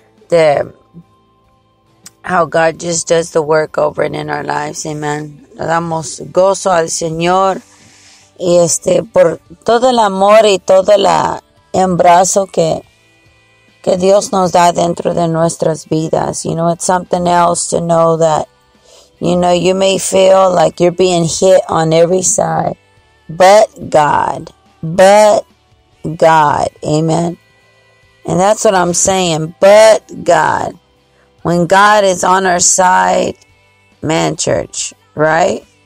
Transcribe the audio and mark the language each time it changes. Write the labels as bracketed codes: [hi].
[en] How God just does the work over and in our lives. [es] Amen. Damos gozo al Señor. Y por todo el amor y todo el embrazo que Dios nos da dentro de nuestras vidas. [en] You know, it's something else to know that, you know, you may feel like you're being hit on every side. But God. Amen. And that's what I'm saying. But God. When God is on our side, man, church, right?